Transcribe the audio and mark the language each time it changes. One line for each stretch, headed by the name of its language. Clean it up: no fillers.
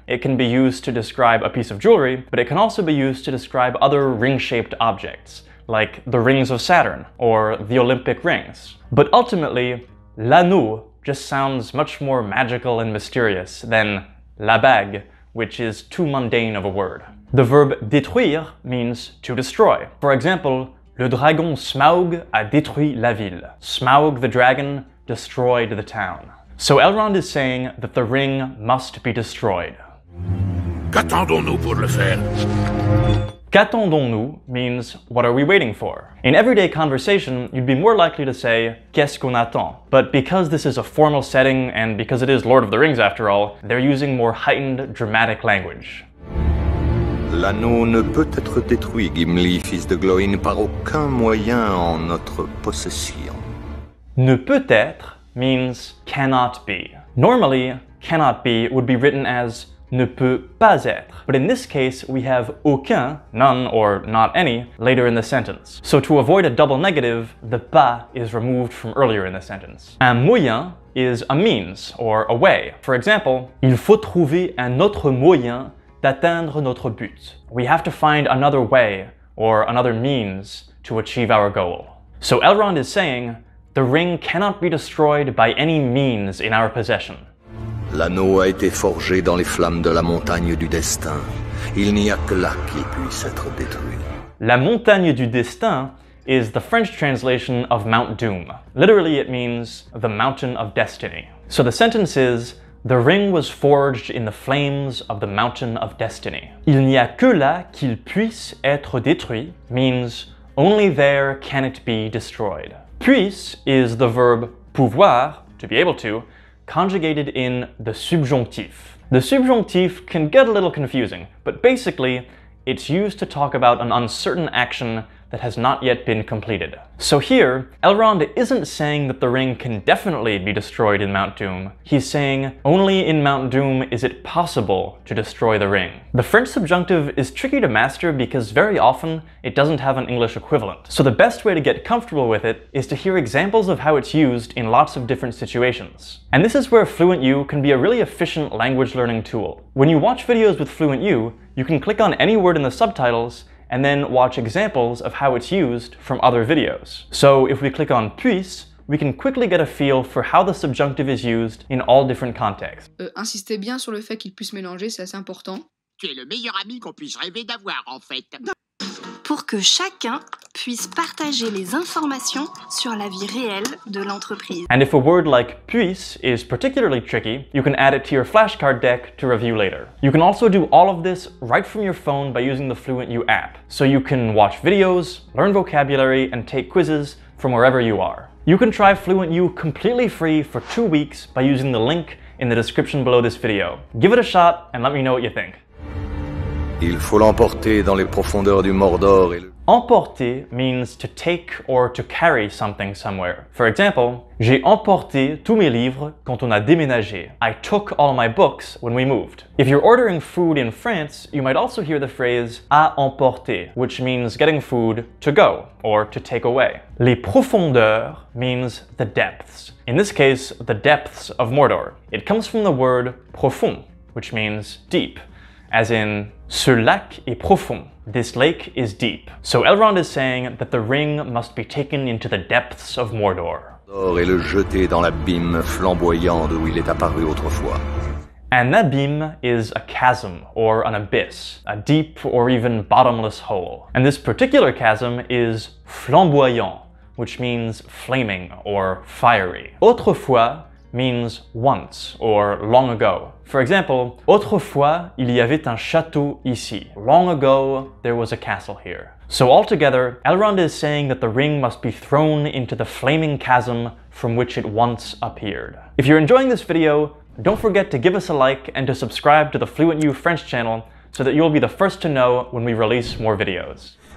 English: It can be used to describe a piece of jewelry, but it can also be used to describe other ring-shaped objects, like the rings of Saturn or the Olympic rings. But ultimately, l'anneau just sounds much more magical and mysterious than la bague, which is too mundane of a word. The verb détruire means to destroy. For example,
French: le dragon Smaug a détruit la ville.
English: Smaug the dragon destroyed the town. So Elrond is saying that the ring must be destroyed.
French: Qu'attendons-nous pour le faire?
English: Qu'attendons-nous means, what are we waiting for? In everyday conversation, you'd be more likely to say,
French: qu'est-ce qu'on attend?
English: But because this is a formal setting, and because it is Lord of the Rings after all, they're using more heightened, dramatic language.
French: L'anneau ne peut être détruit, Gimli, fils de Gloin, par aucun moyen en notre possession.
English: Ne peut être means cannot be. Normally, cannot be would be written as ne peut pas être. But in this case, we have aucun, none or not any, later in the sentence. So to avoid a double negative, the pas is removed from earlier in the sentence. Un moyen is a means or a way. For example,
French: il faut trouver un autre moyen d'atteindre notre but.
English: We have to find another way or another means to achieve our goal. So Elrond is saying, the ring cannot be destroyed by any means in our possession.
French: L'anneau a été forgé dans les flammes de la montagne du destin. Il n'y a que là qu'il puisse être détruit.
English: La montagne du destin is the French translation of Mount Doom. Literally, it means the mountain of destiny. So the sentence is, the ring was forged in the flames of the mountain of destiny.
French: Il n'y a que là qu'il puisse être détruit
English: means only there can it be destroyed. Puisse is the verb pouvoir, to be able to, conjugated in the subjonctif. The subjonctif can get a little confusing, but basically, it's used to talk about an uncertain action that has not yet been completed. So here, Elrond isn't saying that the ring can definitely be destroyed in Mount Doom. He's saying, only in Mount Doom is it possible to destroy the ring. The French subjunctive is tricky to master because very often it doesn't have an English equivalent. So the best way to get comfortable with it is to hear examples of how it's used in lots of different situations. And this is where FluentU can be a really efficient language learning tool. When you watch videos with FluentU, you can click on any word in the subtitles and then watch examples of how it's used from other videos. So if we click on puisse, we can quickly get a feel for how the subjunctive is used in all different contexts.
French: Insistez bien sur le fait qu'il puisse mélanger, c'est assez important. Tu es le meilleur ami qu'on puisse rêver d'avoir, en fait. Pour que chacun puisse partager les informations sur la vie réelle de l'entreprise.
English: And if a word like puisse is particularly tricky, you can add it to your flashcard deck to review later. You can also do all of this right from your phone by using the FluentU app. So you can watch videos, learn vocabulary, and take quizzes from wherever you are. You can try FluentU completely free for 2 weeks by using the link in the description below this video. Give it a shot and let me know what you think.
French: Il faut l'emporter dans les profondeurs du Mordor et le...
English: Emporter means to take or to carry something somewhere. For example,
French: j'ai emporté tous mes livres quand on a déménagé.
English: I took all my books when we moved. If you're ordering food in France, you might also hear the phrase à emporter, which means getting food to go or to take away. Les profondeurs means the depths. In this case, the depths of Mordor. It comes from the word profond, which means deep, as in
French: ce lac est profond.
English: This lake is deep. So Elrond is saying that the ring must be taken into the depths of Mordor.
French: Or et le jeter dans l'abîme flamboyant d'où il est apparu autrefois.
English: An abîme is a chasm or an abyss, a deep or even bottomless hole. And this particular chasm is flamboyant, which means flaming or fiery. Autrefois means once or long ago. For example,
French: autrefois, il y avait un château ici.
English: Long ago, there was a castle here. So altogether, Elrond is saying that the ring must be thrown into the flaming chasm from which it once appeared. If you're enjoying this video, don't forget to give us a like and to subscribe to the FluentU French channel so that you'll be the first to know when we release more videos.